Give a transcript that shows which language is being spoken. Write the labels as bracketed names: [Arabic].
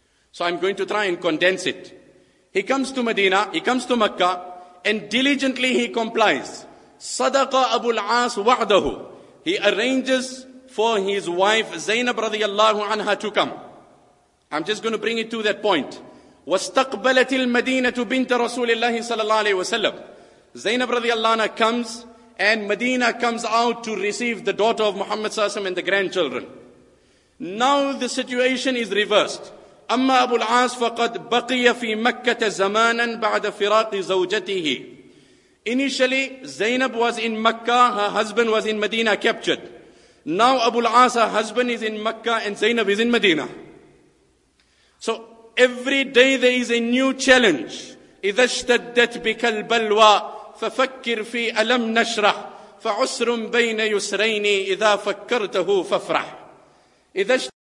[English] So I'm going to try and condense it. He comes to Medina, he comes to Makkah, and diligently he complies. [Arabic] Sadaqa Abu al-As wa'dahu. [English] He arranges for his wife Zainab radiallahu anha to come. I'm just going to bring it to that point. [Arabic] واستقبلت المدينة بنت رسول الله صلى الله عليه وسلم. [English] Zainab radiallahu anha comes, and Medina comes out to receive the daughter of Muhammad صلى الله عليه وسلم and the grandchildren. Now the situation is reversed. [Arabic] أما أبو العاص فقد بقي في مكة زمانا بعد فراق زوجته. [English] Initially, Zainab was in Makkah, her husband was in Medina captured. Now Abu al-As, her husband is in Makkah and Zainab is in Medina. So every day there is a new challenge. [Arabic] إِذَا اشْتَدَّتْ بِكَ الْبَلْوَى فَفَكِّرْ فِي أَلَمْ نَشْرَحْ فَعُسْرٌ بَيْنَ يُسْرَيْنِ إِذَا فَكَّرْتَهُ فَفْرَحْ. إِذَا اشْتَدَّتْ.